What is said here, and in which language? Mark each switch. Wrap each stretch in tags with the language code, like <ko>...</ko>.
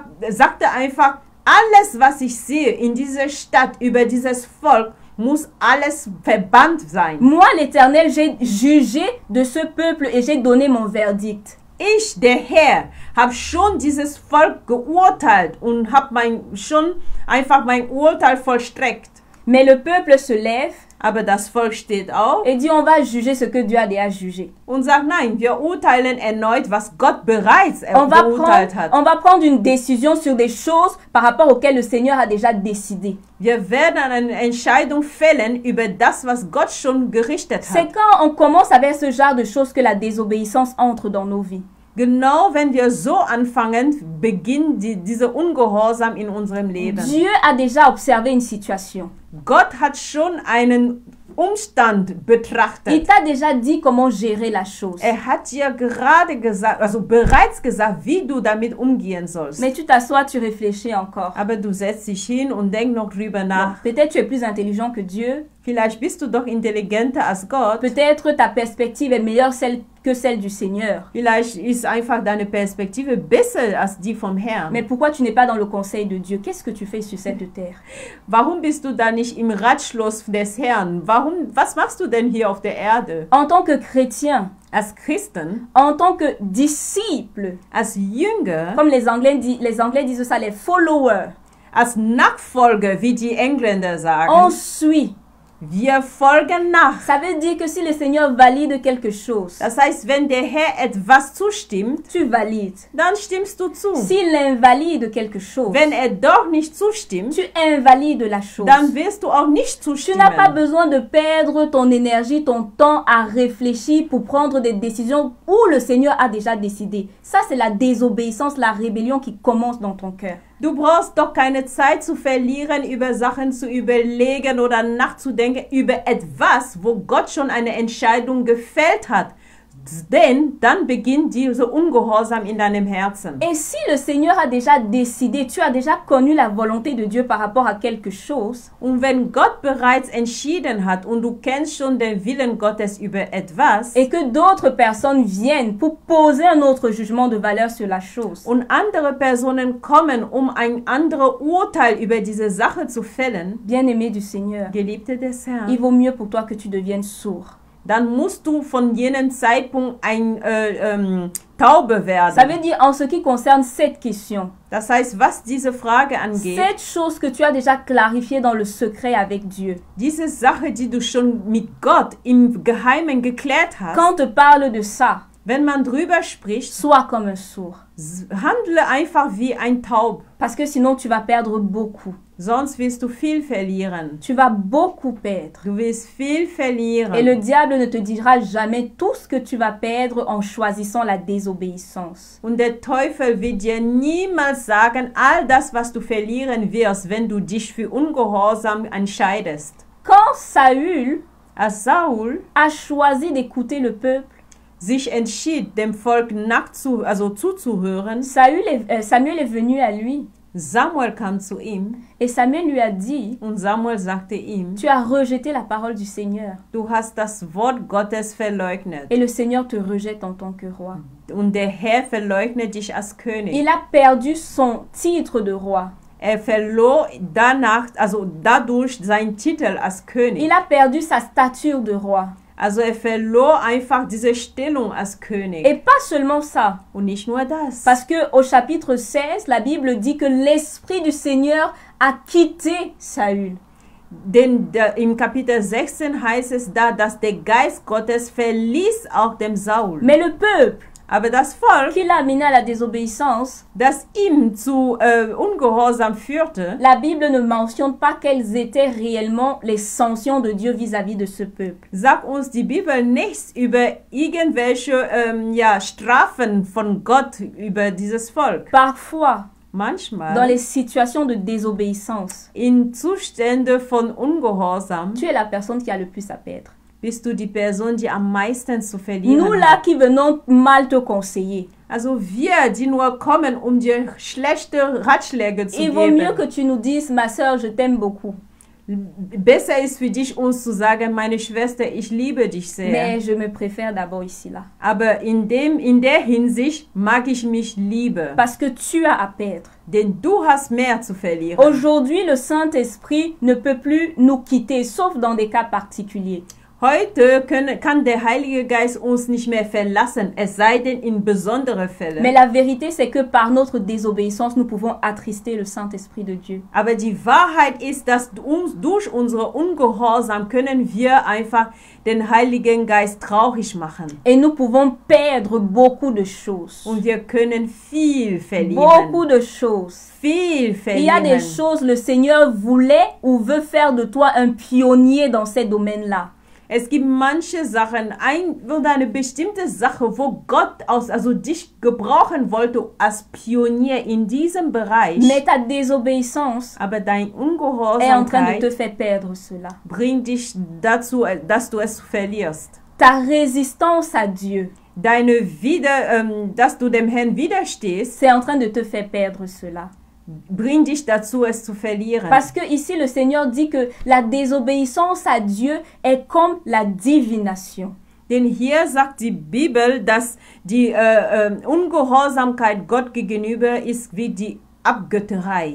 <de>Sagte einfach, alles was ich sehe in dieser Stadt, über dieses Volk, muss alles verbannt sein.</de> <fr>Moi, l'Éternel, j'ai jugé de ce peuple et j'ai donné mon verdict.</fr> <de>Ich, der Herr, habe schon dieses Volk geurteilt und habe mein Urteil vollstreckt.</de> <fr>Mais le peuple se lève.</fr> <de>Aber das Volk steht auf.</de> <fr>Et dit, on va juger ce que Dieu a déjà jugé.</fr> <de>Und sagt, nein, wir urteilen erneut, was Gott bereits geurteilt hat.</de> <fr>On va prendre une décision sur des choses par rapport auxquelles le Seigneur a déjà décidé.</fr> <de>Wir werden eine Entscheidung fällen über das, was Gott schon gerichtet hat.</de> <fr>C'est quand on commence avec ce genre de choses que la désobéissance entre dans nos vies.</fr> <de>Genau, wenn wir so anfangen, beginnt diese Ungehorsam in unserem Leben.</de> <fr>Dieu a déjà observé une situation.</fr> <de>Gott hat schon einen Umstand betrachtet.</de> <fr>Il t'a déjà dit comment gérer la chose.</fr> <de>Er hat dir gerade gesagt, also bereits gesagt, wie du damit umgehen sollst.</de> <fr>Mais tu t'assois, tu réfléchis encore.</fr> <de>Aber du setzt dich hin und denkst noch drüber nach.</de> <fr>Bon, peut-être tu es plus intelligent que Dieu.</fr> <de>Vielleicht bist du doch intelligenter als Gott.</de> <fr>Peut-être ta perspective est meilleure celle que celle du Seigneur.</fr> <de>Vielleicht ist einfach deine Perspektive besser als die vom Herrn.</de> <fr>Mais pourquoi tu n'es pas dans le conseil de Dieu? Qu'est-ce que tu fais sur cette terre?</fr> <de>Warum bist du da nicht im Ratschluss des Herrn? Warum, was machst du denn hier auf der Erde?</de> <fr>En tant que chrétien,</fr> <de>als Christen,</de> <fr>en tant que disciple,</fr> <de>als Jünger,</de> <fr>comme les Anglais disent ça, les followers,</fr> <de>als Nachfolger, wie die Engländer sagen,</de> <fr>on suit.</fr> <de>Wir folgen nach.</de> <fr>Ça veut dire que si le Seigneur valide quelque chose,</fr> <de>das heißt, wenn der Herr etwas zustimmt,</de> <fr>tu valides.</fr> <de>Dann stimmst du zu.</de> <fr>S'il invalide quelque chose,</fr> <de>wenn er doch nicht zustimmt,</de> <fr>tu invalides la chose.</fr> <de>Dann wirst du auch nicht zustimmen.</de> <fr>Tu n'as pas besoin de perdre ton énergie, ton temps à réfléchir pour prendre des décisions où le Seigneur a déjà décidé. Ça, c'est la désobéissance, la rébellion qui commence dans ton cœur.</fr> <de>Du brauchst doch keine Zeit zu verlieren, über Sachen zu überlegen oder nachzudenken, über etwas, wo Gott schon eine Entscheidung gefällt hat. Denn dann beginnt dieser Ungehorsam in deinem Herzen.</de> <fr>Et si le Seigneur a déjà décidé, tu as déjà connu la volonté de Dieu par rapport à quelque chose.</fr> <de>Und wenn Gott bereits entschieden hat und du kennst schon den Willen Gottes über etwas.</de> <fr>Et que d'autres personnes viennent pour poser un autre jugement de valeur sur la chose.</fr> <de>Und andere Personen kommen, um ein anderes Urteil über diese Sache zu fällen.</de> <fr>Bien-aimé du Seigneur.</fr> <de>Geliebte des Herrn.</de> <fr>Il vaut mieux pour toi que tu deviennes sourd.</fr> <de>Dann musst du von jenem Zeitpunkt ein Taube werden.</de> <fr>Ça veut dire en ce qui concerne cette question.</fr> <de>Das heißt, was diese Frage angeht.</de> <fr>Cette chose que tu as déjà clarifiée dans le secret avec Dieu.</fr> <de>Diese Sache, die du schon mit Gott im Geheimen geklärt hast.</de> <fr>Quand on te parle de ça.</fr> <de>Wenn man drüber spricht.</de> <fr>Sois comme un sourd.</fr> <de>Handle einfach wie ein Taub.</de> <fr>Parce que sinon tu vas perdre beaucoup.</fr> <de>Sonst wirst du viel verlieren.</de> <fr>Tu vas beaucoup perdre.</fr> <de>Du wirst viel verlieren.</de> <fr>Et le diable ne te dira jamais tout ce que tu vas perdre en choisissant la désobéissance.</fr> <de>Und der Teufel wird dir niemals sagen, all das, was du verlieren wirst, wenn du dich für ungehorsam entscheidest.</de> <fr>Quand Saül</fr> <de>a Saul</de> <fr>a choisi d'écouter le peuple,</fr> <de>sich entschied, dem Volk zuzuhören.</de> <fr>Samuel est venu à lui.</fr> <de>Samuel kam zu ihm.</de> <fr>Et Samuel lui a dit.</fr> <de>Und Samuel sagte ihm.</de> <fr>Tu as rejeté la parole du Seigneur.</fr> <de>Du hast das Wort Gottes verleugnet.</de> <fr>Et le Seigneur te rejette en tant que roi.</fr> <de>Und der Herr verleugnet dich als König.</de> <fr>Il a perdu son titre de roi.</fr> <de>Er verlor danach, also dadurch seinen Titel als König.</de> <fr>Il a perdu sa stature de roi.</fr> <de>Also er verlor einfach diese Stellung als König.</de> <fr>Et pas seulement ça.</fr> <de>Und nicht nur das.</de> <fr>Parce que au chapitre 16, la Bible dit que l'Esprit du Seigneur a quitté Saül.</fr> <de>Denn im Kapitel 16 heißt es da, dass der Geist Gottes verließ auch dem Saul.</de> <fr>Mais le peuple.</fr> <de>Aber das Volk,</de> <fr>qui l'a amené à la désobéissance,</fr> <de>das ihm zu ungehorsam führte,</de> <fr>la Bible ne mentionne pas quelles étaient réellement les sanctions de Dieu vis-à-vis de ce peuple.</fr> <de>Sagt uns die Bibel nichts über irgendwelche Strafen von Gott über dieses Volk.</de> <fr>Parfois,</fr> <de>manchmal,</de> <fr>dans les situations de désobéissance,</fr> <de>in Zustände von ungehorsam,</de> <fr>tu es la personne qui a le plus à perdre.</fr> <de>Bist du die Person, die am meisten zu verlieren</de> <fr>nous là qui venons mal te conseiller.</fr> <de>Also wir, die nur kommen, um dir schlechte Ratschläge zu</de> <fr>Il</fr> <de>geben.</de> <fr>Il vaut mieux que tu nous dises, ma sœur, je t'aime beaucoup.</fr> <de>Besser ist für dich, uns zu sagen, meine Schwester, ich liebe dich sehr.</de> <fr>Mais je me préfère d'abord ici là.</fr> <de>Aber in der Hinsicht mag ich mich lieber.</de> <fr>Parce que tu as à perdre.</fr> <de>Denn du hast mehr zu verlieren.</de> <fr>Aujourd'hui, le Saint-Esprit ne peut plus nous quitter, sauf dans des cas particuliers.</fr> <de>Heute kann der Heilige Geist uns nicht mehr verlassen, es sei denn in besonderen Fällen.</de> <fr>Mais la vérité c'est que par notre désobéissance nous pouvons attrister le Saint-Esprit de Dieu.</fr> <de>Aber die Wahrheit ist, dass durch unsere Ungehorsam können wir einfach den Heiligen Geist traurig machen.</de> <fr>Et nous pouvons perdre beaucoup de choses.</fr> <de>Und wir können viel verlieren.</de> <fr>Beaucoup de choses.</fr> <de>Viel verlieren.</de> <fr>Il y a des choses, le Seigneur voulait ou veut faire de toi un pionnier dans ces domaines-là.</fr> <de>Es gibt manche Sachen, eine bestimmte Sache, wo Gott also dich gebrauchen wollte als Pionier in diesem Bereich.</de> <fr>Mais ta désobéissance,</fr> <de>aber dein Ungehorsam</de> <fr>est en train de te faire perdre cela.</fr> <de>Bringt dich dazu, dass du es verlierst.</de> <fr>Ta résistance à Dieu,</fr> <de>deine Wider, dass du dem Herrn widerstehst,</de> <fr>c'est en train de te faire perdre cela.</fr> <de>Bring dich dazu, es zu verlieren.</de> <fr>Parce que ici le Seigneur dit que la désobéissance à Dieu est comme la divination.</fr> <de>Denn hier sagt die Bibel, dass die Ungehorsamkeit Gott gegenüber ist wie die Abgötterei.</de>